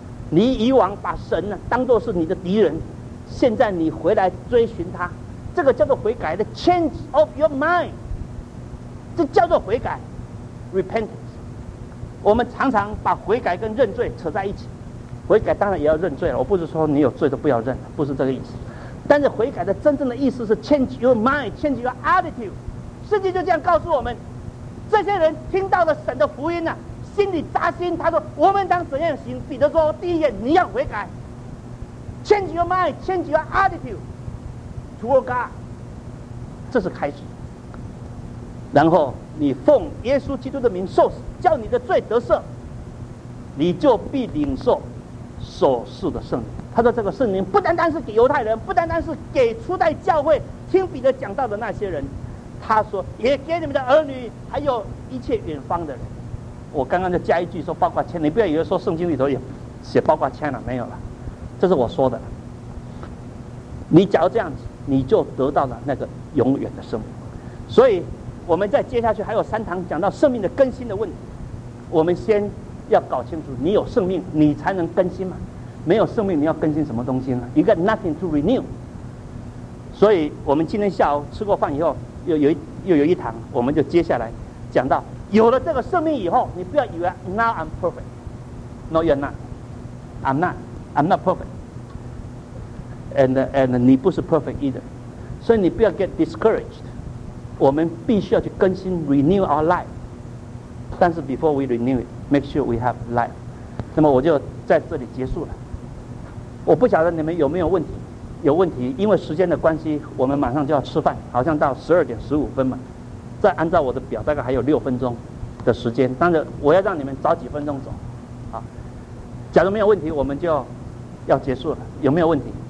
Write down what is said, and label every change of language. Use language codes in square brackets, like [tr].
[zh] 你以往把神呢当作是你的敌人，现在你回来追寻他，这个叫做悔改的 [en] change of your mind， [zh] 这叫做悔改 repentance。我们常常把悔改跟认罪扯在一起，悔改当然也要认罪了，我不是说你有罪都不要认，不是这个意思。但是悔改的真正的意思是 [en] change your mind， change your attitude。 [zh] 圣经就这样告诉我们，这些人听到了神的福音呢、啊，心里扎心，他说我们当怎样行。彼得说，第一眼你要悔改， [en] change your mind， change your attitude toward God， [zh] 这是开始。然后你奉耶稣基督的名受死，叫你的罪得赦，你就必领受所赐的圣灵。他说这个圣灵不单单是给犹太人，不单单是给初代教会听彼得讲道的那些人，他说也给你们的儿女，还有一切远方的人。我刚刚就加一句说包括千，你不要以为说圣经里头也写包括千了，没有了，这是我说的。你假如这样子，你就得到了那个永远的生命。所以我们再接下去还有三堂讲到生命的更新的问题。我们先要搞清楚，你有生命你才能更新嘛，没有生命你要更新什么东西呢？ [en] You got nothing to renew。 [zh] 所以我们今天下午吃过饭以后，又有一堂，我们就接下来讲到有了这个生命以后，你不要以为 [en] Now I'm perfect. No, you're not. I'm not perfect. And [zh] 你不是 [en] perfect either. [zh] 所以你不要 [en] get discouraged. [zh] 我们必须要去更新 [en] renew our life. 但是 before we renew it, make sure we have life. [zh] 那么我就在这里结束了。我不晓得你们有没有问题，有问题，因为时间的关系，我们马上就要吃饭，好像到12:15嘛。再按照我的表，大概还有6分钟的时间，但是我要让你们早几分钟走。好，假如没有问题，我们就要结束了。有没有问题？